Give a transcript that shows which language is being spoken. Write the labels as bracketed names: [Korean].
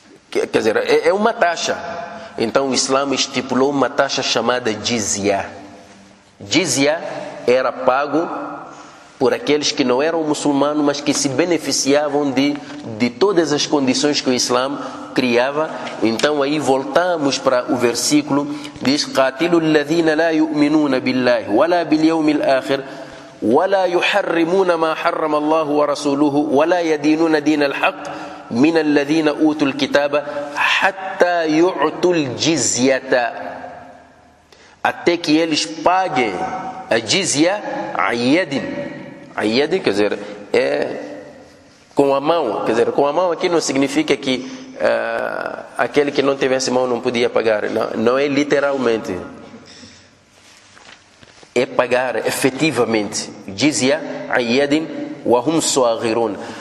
[Portuguese] Quer dizer, é uma taxa. Então, o Islã estipulou uma taxa chamada jizya. Jizya era pago por aqueles que não eram muçulmanos, mas que se beneficiavam de todas as condições que o Islã criava. Então, aí voltamos para o versículo. Diz, [Arabic] قَاتِلُوا الَّذِينَ لَا يُؤْمِنُونَ بِاللَّهِ وَلَا بِالْيَوْمِ الْآخِرِ وَلَا يُحَرِّمُونَ مَا حَرَّمَ اللَّهُ وَرَسُولُهُ وَلَا يَدِينُونَ دِينَ الْحَقِّ مِنَ الَّذِينَ أُوتُوا الْكِتَابَ حَتَّى يُعْتُوا الْجِزْيَةَ, [Portuguese] até que eles paguem a jizya ayyadin. Ayyadin, quer dizer, é com a mão. Quer dizer, com a mão aqui não significa que aquele que não tivesse mão não podia pagar. Não é literalmente. É pagar efetivamente. [Arabic] Jizya ayyadin wahum suagirun.